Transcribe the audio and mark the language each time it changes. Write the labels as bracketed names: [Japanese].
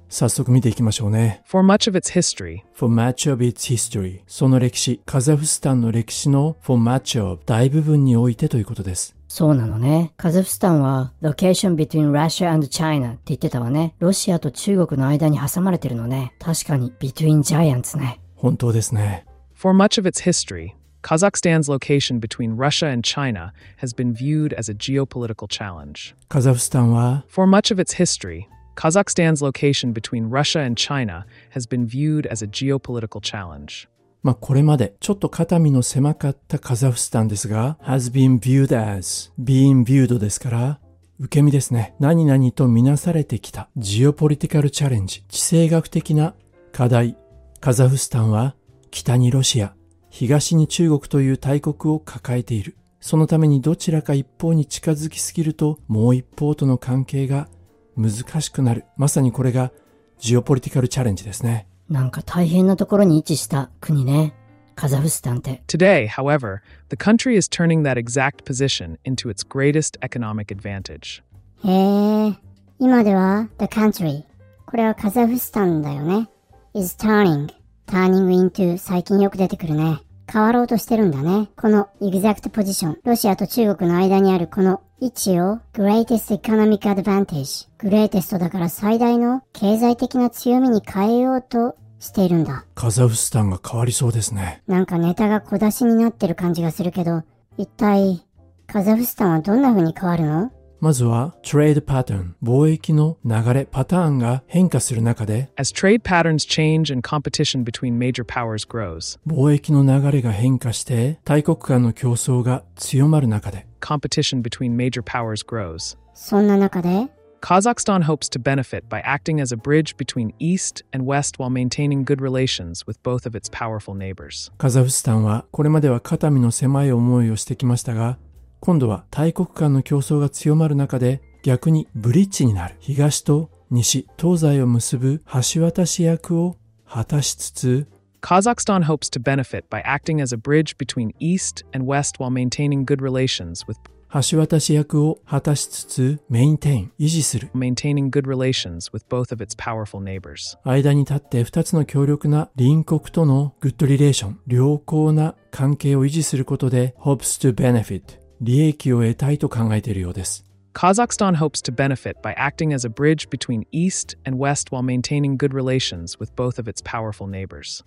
[Japanese] 早速見ていきましょうね。 [English] For much of its history, For much of its history、 [Japanese] その歴史、カザフスタンの歴史の [English] For much of、 [Japanese] 大部分においてということです。そうなのね。カザフスタンは [English] Location between Russia and China [Japanese] って言ってたわね。ロシアと中国の間に挟まれてるのね。確かに [English] Between Giants [Japanese] ね。本当ですね。 [English] For much of its history、Kazakhstan's location between Russia and China has been viewed as a geopolitical challenge. [Japanese] Kazakhstan は [English] For much of its history, Kazakhstan's location between Russia and China has been viewed as a geopolitical challenge. [Japanese] まあ、これまでちょっと肩身の狭かったカザフスタンですが [English] has been viewed as、 being viewed [Japanese] ですから受け身ですね。何々と見なされてきた [English] geopolitical challenge、 [Japanese] 地政学的な課題。カザフスタンは北にロシア、東に中国という大国を抱えている。そのためにどちらか一方に近づきすぎるともう一方との関係が難しくなる。まさにこれがジオポリティカルチャレンジですね。なんか大変なところに位置した国ね、カザフスタンって。 [English] Today, however, the country is turning that exact position into its greatest economic advantage. [Japanese] へえ、今では [English] the country、 [Japanese] これはカザフスタンだよね、 [English] is turning [Japanese] ターニングイントゥ、最近よく出てくるね。変わろうとしてるんだね。このエグザクトポジション、ロシアと中国の間にあるこの位置を [English] greatest economic advantage、 [Japanese] greatest だから最大の経済的な強みに変えようとしているんだ。カザフスタンが変わりそうですね。なんかネタが小出しになってる感じがするけど、一体カザフスタンはどんな風に変わるの？まずは trade pattern、 貿易の流れ、パターンが変化する中で [English] as trade patterns change and competition between major powers grows、 [Japanese] 貿易の流れが変化して大国間の競争が強まる中で [English] competition between major powers grows、 [Japanese] そんな中で [English] Kazakhstan hopes to benefit by acting as a bridge between east and west while maintaining good relations with both of its powerful neighbors。 [Japanese] カザフスタンはこれまでは肩身の狭い思いをしてきましたが、今度は大国間の競争が強まる中で逆にブリッジになる、東と西、東西を結ぶ橋渡し役を果たしつつ [English] Kazakhstan hopes to benefit by acting as a bridge between east and west while maintaining good relations with、 [Japanese] 橋渡し役を果たしつつ maintain、 維持する、 [English] maintaining good relations with both of its powerful neighbors、 [Japanese] 間に立って2つの強力な隣国とのグッドリレーション、良好な関係を維持することで [English] hopes to benefit、 [Japanese] 利益を得たいと考えているようです。 [English] Kazakhstan hopes to benefit by acting as a bridge between East and West while maintaining good relations with both of its powerful neighbors.